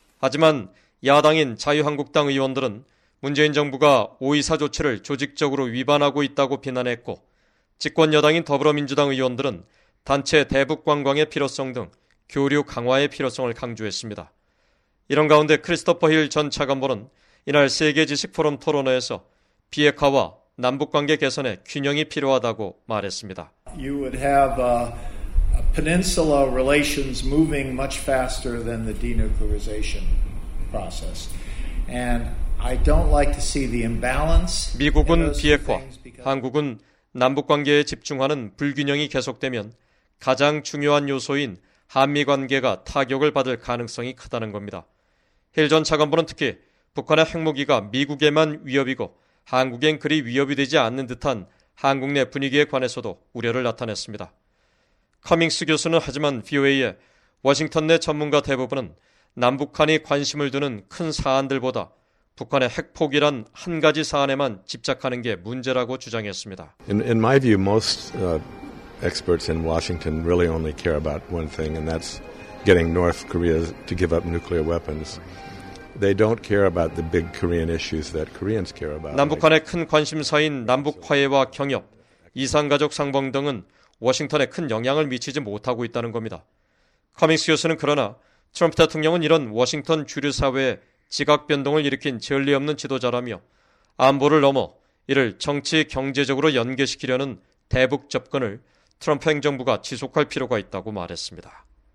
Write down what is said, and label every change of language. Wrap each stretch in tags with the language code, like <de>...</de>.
<ko>하지만 야당인 자유한국당 의원들은 문재인 정부가 5.24 조치를 조직적으로 위반하고 있다고 비난했고 집권 여당인 더불어민주당 의원들은 단체 대북 관광의 필요성 등 교류 강화의 필요성을 강조했습니다. 이런 가운데 크리스토퍼 힐 전 차관보는 이날 세계지식포럼 토론회에서 비핵화와 남북관계 개선에 균형이 필요하다고 말했습니다.</ko> <en>You would have peninsula relations moving much faster than the denuclearization process. And I don't like to see the imbalance.</en> <ko>미국은 비핵화, 한국은 남북관계에 집중하는 불균형이 계속되면 가장 중요한 요소인 한미관계가 타격을 받을 가능성이 크다는 겁니다. 힐 전 차관보는 특히 북한의 핵무기가 미국에만 위협이고 한국엔 그리 위협이 되지 않는 듯한 한국 내 분위기에 관해서도 우려를 나타냈습니다. 커밍스 교수는 하지만 VOA에 워싱턴 내 전문가 대부분은 남북한이 관심을 두는 큰 사안들보다 북한의 핵폭이란 한 가지 사안에만 집착하는 게 문제라고 주장했습니다.</ko> <en>In my view, most experts in Washington really only care about one thing, and that's getting North Korea to give up nuclear weapons. They don't care about the big Korean issues that Koreans care about.</en> <ko>남북한의 큰 관심사인 남북 화해와 경협, 이산가족 상봉 등은 워싱턴에 큰 영향을 미치지 못하고 있다는 겁니다. 커밍스 교수는 그러나 트럼프 대통령은 이런 워싱턴 주류 사회에 지각 변동을 일으킨 전례 없는 지도자라며 안보를 넘어 이를 정치 경제적으로 연계시키려는 대북 접근을 트럼프 행정부가 지속할 필요가 있다고 말했습니다.</ko>